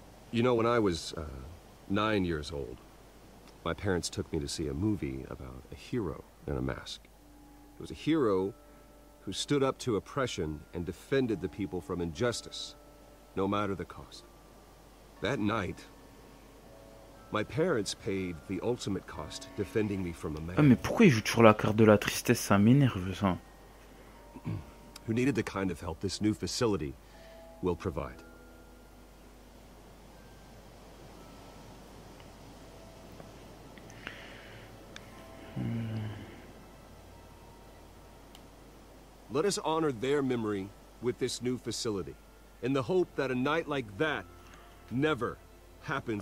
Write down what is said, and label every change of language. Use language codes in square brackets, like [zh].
[en] You know, when I was 9 years old, my parents took me to see a movie about a hero in a mask. It was a hero who stood up to oppression and defended the people from injustice, no matter the cost. That night, my parents paid the ultimate cost defending me from a man. [fr] Ah, mais pourquoi il joue toujours la carte de la tristesse, ça m'énerve ça. [en] Who needed the kind of help this new facility will provide. Let us honor their memory with this new facility, in the hope that a night like that never happens